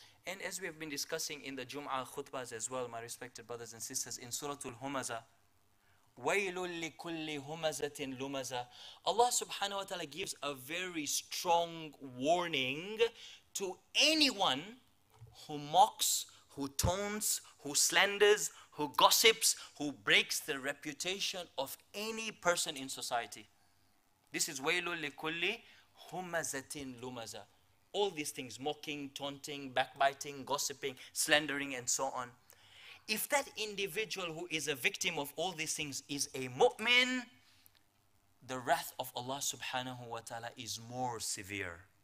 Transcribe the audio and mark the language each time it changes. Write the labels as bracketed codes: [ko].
[en] And as we have been discussing in the Jum'ah khutbahs as well, my respected brothers and sisters, in Suratul Humazah, [ar] وَيْلٌ لِكُلِّ هُمَزَةٍ لُمَزَةٍ, [en] Allah subhanahu wa ta'ala gives a very strong warning to anyone who mocks, who taunts, who slanders, who gossips, who breaks the reputation of any person in society. This is [ar] وَيْلٌ لِكُلِّ هُمَزَةٍ لُمَزَةٍ. [en] All these things, mocking, taunting, backbiting, gossiping, slandering, and so on. If that individual who is a victim of all these things is a mu'min, the wrath of Allah subhanahu wa ta'ala is more severe.